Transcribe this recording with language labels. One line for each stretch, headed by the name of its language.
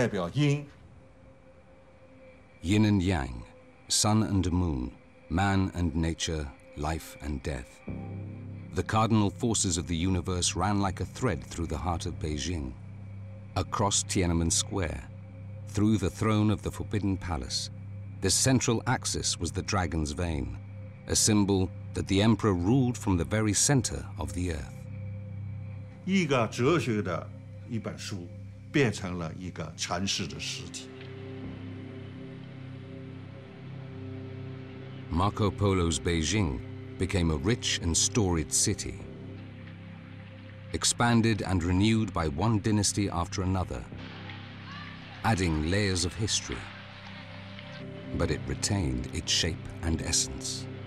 Chinese: 南面是代表夏季，西面是代表秋季。这个中轴线呢，在南面的中轴线是代表阳，在北面的中轴线是代表阴。Yin
English: and Yang, Sun and Moon, Man and Nature, Life and Death. The cardinal forces of the universe ran like a thread through the heart of Beijing. Across Tiananmen Square, through the throne of the Forbidden Palace, this central axis was the dragon's vane, a symbol that the emperor ruled from the very center of the earth.
Chinese: 一个哲学的一本书变成了一个禅师的尸体。
English: Marco Polo's Beijing became a rich and storied city. Expanded and renewed by one dynasty after another, adding layers of history, but it retained its shape and essence.